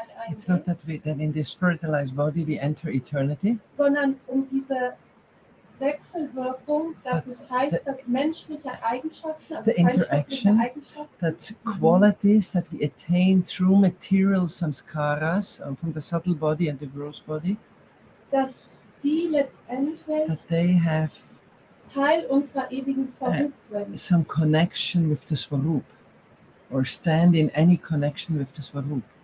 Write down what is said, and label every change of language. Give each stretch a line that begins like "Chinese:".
English: It's not that we then in this spiritualized body we enter eternity.
German: Sondern um diese Wechselwirkung, dass es heißt, dass menschliche Eigenschaften,
English: the interaction, that's qualities that we attain through material samskaras from the subtle body and the gross body,
German: dass die letztendlich,
English: that they have
German: Teil unserer ewigen Swarup sind.
English: Some connection with the Swarup, or stand in any connection with the Swarup.